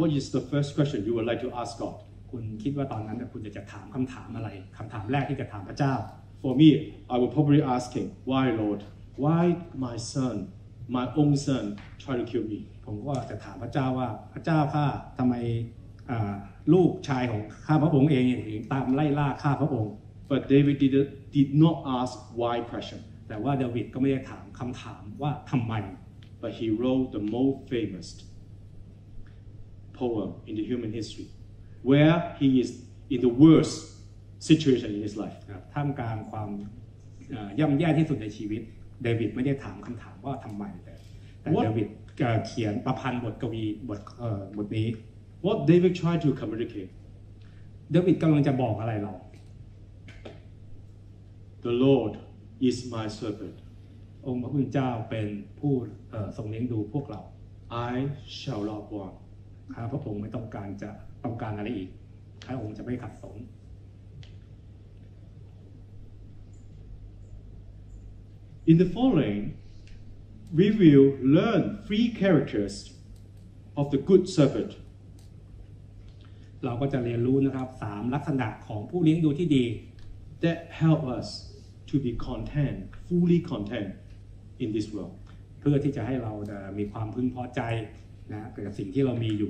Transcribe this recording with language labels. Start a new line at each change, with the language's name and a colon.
English: what is the first question you would like to ask God
Thai: คุณคิดว่าตอนนั้นคุณจะถามคำถามอะไรคำถามแรกที่จะถามพระเจ้า
English: for me I would probably asking why Lord why my son my own son try to kill me
Thai: ผมก็จะถามพระเจ้าว่าพระเจ้าข้าทำไมลูกชายของข้าพระองค์เองตามไล่ล่าข้าพระองค์
English: But David did not ask why question
Thai: แต่ว่าดาวิดก็ไม่ได้ถามคำถามว่าทำไม
English: But he wrote the most famous poem in the human history where he is in the worst situation in his life
Thai: ท่ามกลางความย่ำแย่ที่สุดในชีวิตดาวิดไม่ได้ถามคำถามว่าทำไมแต่ดาวิดเขียนประพันธ์บทกวีบทนี้
English: What David tried to communicate
Thai: David กำลังจะบอกอะไรเรา
English: The Lord is my servant
Thai: องค์พระผู้เป็นเจ้าเป็นผู้ทรงเลี้ยงดูพวกเรา
English: I shall not want
Thai: ข้าพระองค์ไม่ต้องการจะต้องการอะไรอีกข้าองค์จะไม่ขัดสน
English: In the followingWe will learn three characters of the good servant.
Thai: เราก็จะเรียนรู้นะครับ3ลักษณะของผู้เลี้ยงดูที่ดี
English: that help us to be content, fully content in this world
Thai: เพื่อที่จะให้เรามีความพึงพอใจนะกับสิ่งที่เรามีอยู